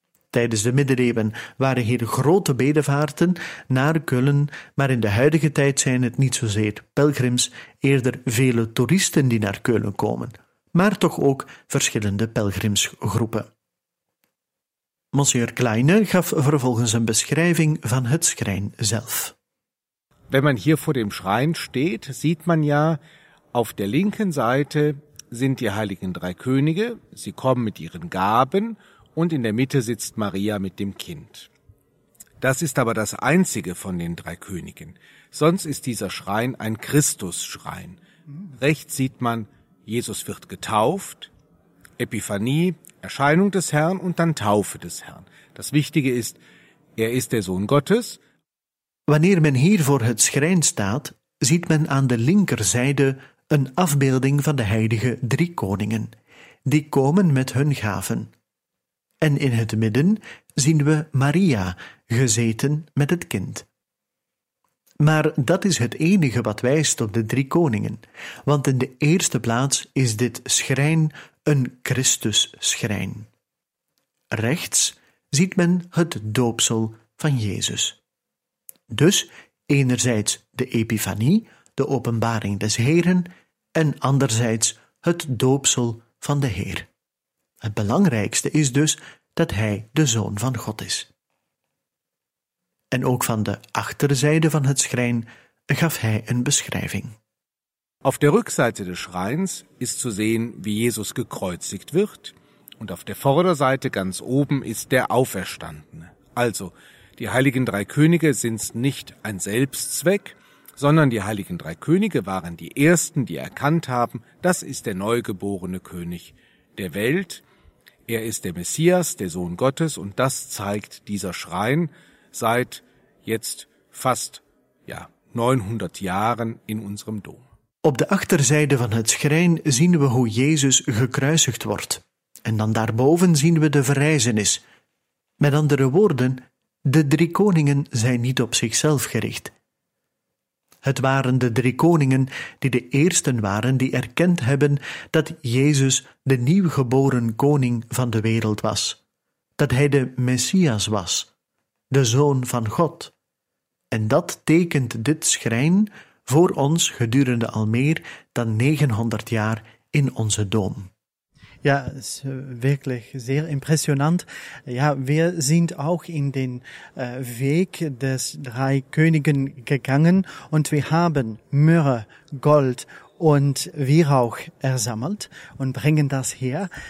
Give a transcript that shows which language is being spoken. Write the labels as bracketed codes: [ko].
[nl] Tijdens de middeleeuwen waren hier grote bedevaarten naar Keulen, maar in de huidige tijd zijn het niet zozeer pelgrims, eerder vele toeristen die naar Keulen komen, maar toch ook verschillende pelgrimsgroepen. Monsieur Kleine gaf vervolgens een beschrijving van het schrijn zelf. [de] Wenn man hier vor dem Schrein steht, sieht man ja Auf der linken Seite sind die heiligen drei Könige. Sie kommen mit ihren Gaben und in der Mitte sitzt Maria mit dem Kind. Das ist aber das einzige von den drei Königen. Sonst ist dieser Schrein ein Christusschrein. Rechts sieht man, Jesus wird getauft, Epiphanie, Erscheinung des Herrn und dann Taufe des Herrn. Das Wichtige ist, er ist der Sohn Gottes. [nl] Wanneer man hier vor het schrein staat, [de] sieht man an der [nl] linkerseite een afbeelding van de heilige drie koningen. Die komen met hun gaven. En in het midden zien we Maria, gezeten met het kind. Maar dat is het enige wat wijst op de drie koningen, want in de eerste plaats is dit schrijn een Christusschrijn. Rechts ziet men het doopsel van Jezus. Dus enerzijds de Epifanie, de openbaring des Heren, en anderzijds het doopsel van de Heer. Het belangrijkste is dus dat hij de Zoon van God is. En ook van de achterzijde van het schrijn gaf hij een beschrijving. [de] Auf der Rückseite des Schreins ist zu sehen, wie Jesus gekreuzigt wird, und auf der Vorderseite ganz oben ist der Auferstandene. Also, die heiligen drei Könige sind nicht ein Selbstzweck, sondern die heiligen drei Könige waren die ersten, die erkannt haben, das ist der neugeborene König der Welt. Er ist der Messias, der Sohn Gottes, und das zeigt dieser Schrein seit jetzt fast 900 Jahren in unserem Dom. [nl] Op de achterzijde van het schrijn zien we hoe Jezus gekruisigd wordt. En dan daarboven zien we de verrijzenis. Met andere woorden, de drie koningen zijn niet op zichzelf gericht. Het waren de drie koningen die de eersten waren die erkend hebben dat Jezus de nieuwgeboren koning van de wereld was, dat hij de Messias was, de Zoon van God. En dat tekent dit schrijn voor ons gedurende al meer dan 900 jaar in onze dom. [de] Ja, ist wirklich sehr impressionant. Ja, wir sind auch in den Weg des drei Königen gegangen und wir haben Myrrhe, Gold und Weihrauch ersammelt und bringen das her.